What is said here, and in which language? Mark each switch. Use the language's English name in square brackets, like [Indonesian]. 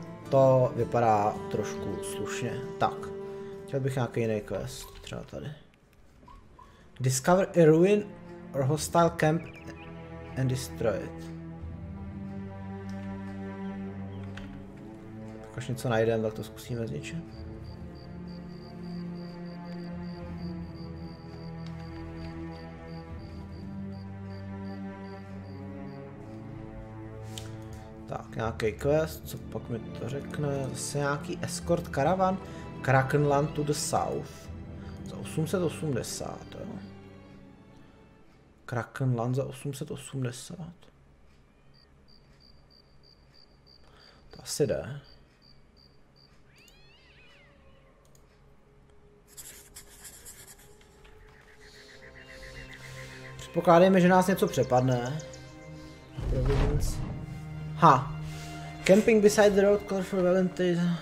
[Czech] To vypadá trošku slušně, tak, chtěl bych nějaký jiný quest, třeba tady. [English] Discover a ruin or hostile camp and destroy it. [Czech] Když něco najdeme, tak to zkusíme zničit. Tak, nějaký quest, co pak mi to řekne? Zase nějaký [English] escort caravan Krakenland to the south. [Czech] Za 880, jo. Krakenland za 880. To asi jde. Pokládejme, že nás něco přepadne. Ha! [English] Camping beside the road, call for volunteers.